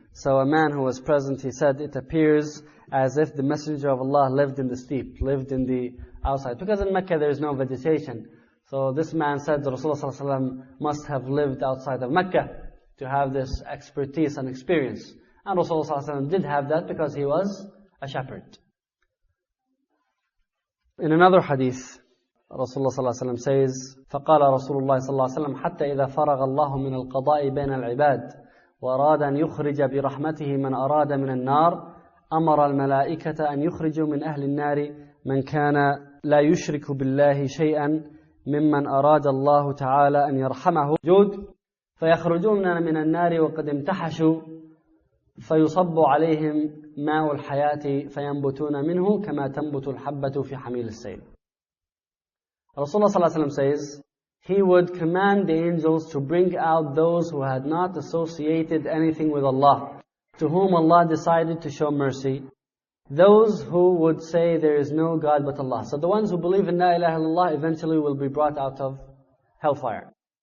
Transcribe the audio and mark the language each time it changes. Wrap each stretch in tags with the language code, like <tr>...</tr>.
<en>So a man who was present, he said, it appears as if the Messenger of Allah lived in the steep, lived in the outside. Because in Mecca there is no vegetation. So this man said, Rasulullah sallallahu alayhi wa sallam must have lived outside of Mecca to have this expertise and experience. And Rasulullah sallallahu alayhi wa sallam did have that because he was a shepherd. In another hadith,</en> <ar>Rasulullah sallallahu alayhi wa sallam says, فَقَالَ رَسُولُ اللَّهِ صَلَّى اللَّهِ وَسَلَّمَ حَتَّى إِذَا فَرَغَ اللَّهُ مِنَ الْقَضَاءِ بَيْنَ الْعِبَادِ وَأَرَادَ أَنْ يُخْرِجَ بِرَحْمَتِهِ مَنْ أَرَادَ مِنَ النَّارِ أَمَرَ الْمَلَائِكَةَ أَنْ يُخْرِجُوا مِنْ أَهْلِ النَّارِ مَنْ كَانَ لَا يُشْرِكُ بِاللَّهِ شَيْئًا مِمَّنْ أَرَادَ اللَّهُ تَعَالَى أَنْ يَرْحَمَهُ. فيخرجون من النار وقد امتحشوا فيصب عليهم ماء الحياة فينبتون منه كما تنبت الحبة في حميل السيل. رسول الله صلى الله عليه وسلم</ar> <en>says, he would command the angels to bring out those who had not associated anything with Allah, to whom Allah decided to show mercy, those who would say there is no God but Allah. So the ones who believe in La ilaha illallah eventually will be brought out of hellfire.</en>